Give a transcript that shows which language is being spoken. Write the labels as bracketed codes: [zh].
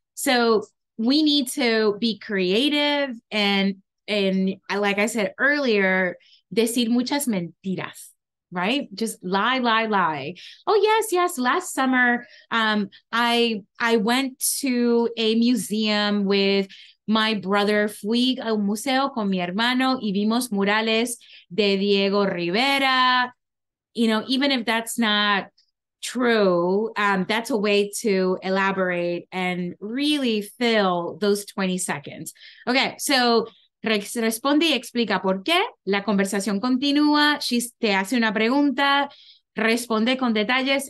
[en] So we need to be creative and like I said earlier, [es] decir muchas mentiras. [en] Right? Just lie, lie, lie. Oh, yes, yes. Last summer, I went to a museum with my brother. [es] Fui a un museo con mi hermano y vimos murales de Diego Rivera. [en] You know, even if that's not true, that's a way to elaborate and really fill those 20 seconds. Okay, so [es] responde y explica por qué. La conversación continúa. [en] She [es] te hace una pregunta. Responde con detalles.